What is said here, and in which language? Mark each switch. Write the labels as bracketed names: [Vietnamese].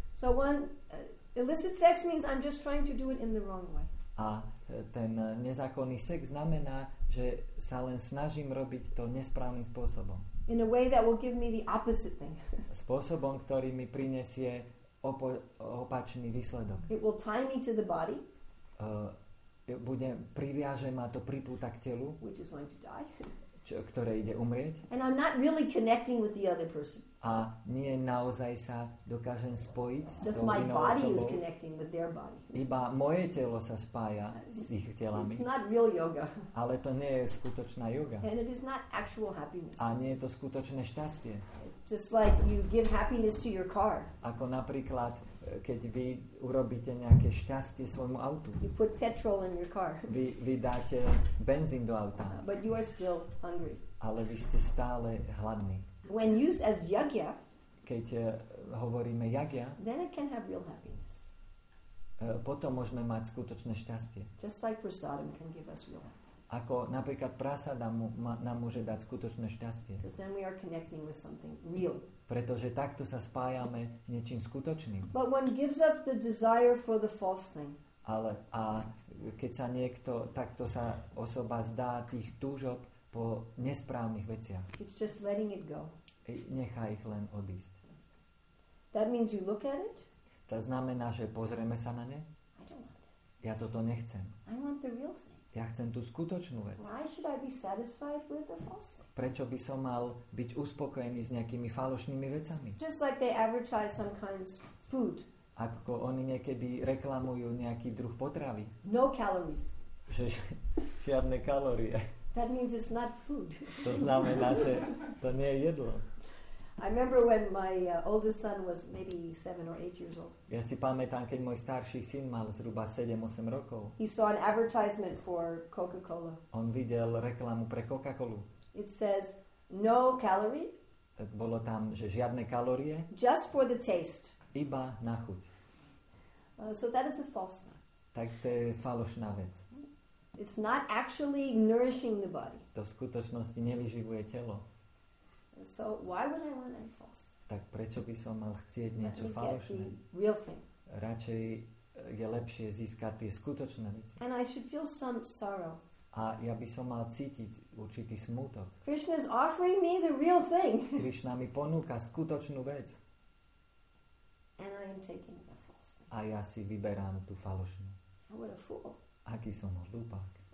[English] So one illicit sex means I'm just trying to do it in the wrong way. [Slovak] A ten nezákonný sex znamená, že sa len snažím robiť to nesprávnym spôsobom. [English] In a way that will give me the opposite thing. [Slovak] Spôsobom, ktorý mi prinesie opačný výsledok. [English] It will tie me to the body. [Slovak] Bude priviaže ma to pripúta k telu. [English] Which is going to die. [Slovak] Ktoré ide umrieť. [English] And I'm not really connecting with the other person. [Slovak] A nie naozaj sa dokážem spojiť s tou inou osobou. [English] Just my body is connecting with their body. [Slovak] Iba moje telo sa spája s ich telami. [English] It's not real yoga. [Slovak] Ale to nie je skutočná yoga. [English] And it is not actual happiness. [Slovak] A nie je to skutočné šťastie. [English] Just like you give happiness to your car. [Slovak] Ako napríklad, keď vy urobíte nejaké šťastie svojmu autu. [English] You put petrol in your car. [Slovak] Vy dáte benzín do auta. [English] But you are still hungry. [Slovak] Ale vy ste stále hladní. [English] When used as yagya, [Slovak] keď hovoríme yagya, [English] then it can have real happiness. [Slovak] Potom môžeme mať skutočné šťastie. [English] Just like prasadam can give us real happiness. [Slovak] Ako napríklad prasada nám môže dať skutočné šťastie. [English] Because then we are connecting with something real. [Slovak] Pretože takto sa spájame niečím skutočným. [English] But one gives up the desire for the false thing. [Slovak] Ale a keď sa niekto, takto sa osoba zdá tých túžob po nesprávnych veciach. [English] It's just letting it go. [Slovak] Nechá ich len odísť. [English] That means you look at it. [Slovak] To znamená, že pozrieme sa na ne. [English] I don't want this. [Slovak] Ja toto nechcem. [English] I want the real thing. [Slovak] Ja chcem tú skutočnú vec. [English] Why should I be satisfied with the false thing? [Slovak] Prečo by som mal byť uspokojený s nejakými falošnými vecami? [English] Just like they advertise some kinds of food. [Slovak] Ako oni niekedy reklamujú nejaký druh potravy. [English] No calories. [Slovak] Že žiadne kalórie. [English] That means it's not food. [Slovak] To znamená, že to nie je jedlo. [English] I remember when my oldest son was maybe 7 or 8 years old. [Slovak] Ja si pamätám, keď môj starší syn mal zhruba 7-8 rokov. [English] He saw an advertisement for Coca-Cola. [Slovak] On videl reklamu pre Coca-Colu. [English] It says no calorie. [Slovak] Bolo tam, že žiadne kalórie. [English] Just for the taste. [Slovak] Iba na chuť. [English] So that is a false thing. [Slovak] Tak to je falošná vec. [English] It's not actually nourishing the body. [Slovak] To v skutočnosti nevyživuje telo. [English] So why would I want a false? [Slovak] Tak prečo by som mal chcieť niečo falošné? [English] Real thing. [Slovak] Radšej je lepšie získať tie skutočné veci. [English] And I should feel some sorrow. [Slovak] A ja by som mal cítiť určitý smútok. [English] Krishna is offering me the real thing. [Slovak] Krishna mi ponúka skutočnú vec. [English] And I am taking the false thing. [Slovak] A ja si vyberám tú falošnú. [English] What a fool. [Slovak] Aký som hlúpak.